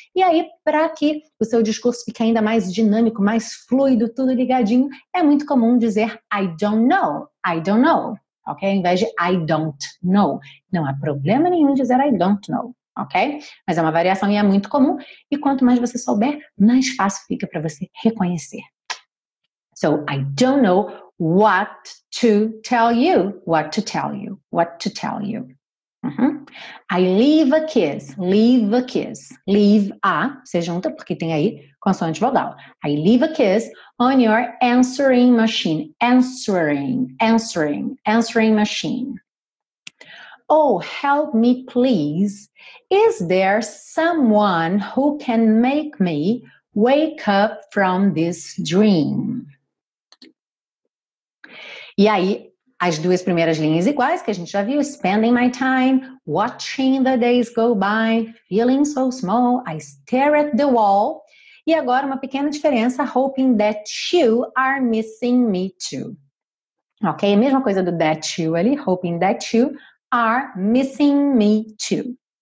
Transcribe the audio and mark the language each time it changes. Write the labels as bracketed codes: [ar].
[pt] E aí, para que o seu discurso fique ainda mais dinâmico, mais fluido, tudo ligadinho, é muito comum dizer [en] I don't know, [pt] ok? Ao invés de [en] I don't know. [pt] Não há problema nenhum dizer I don't know, ok? Mas é uma variação e é muito comum. E quanto mais você souber, mais fácil fica para você reconhecer. [en] So, I don't know what to tell you, what to tell you, what to tell you. Uhum. I leave a kiss, leave a kiss, leave a, [pt] você junta porque tem aí consoante vogal. [en] I leave a kiss on your answering machine, answering, answering, answering machine. Oh, help me, please. Is there someone who can make me wake up from this dream? [pt] E aí, as duas primeiras linhas iguais que a gente já viu. [en] Spending my time, watching the days go by, feeling so small, I stare at the wall. [pt] E agora, uma pequena diferença, [en] hoping that you are missing me too. Ok? [pt] A mesma coisa do [en] that you ali, hoping that you are missing me too.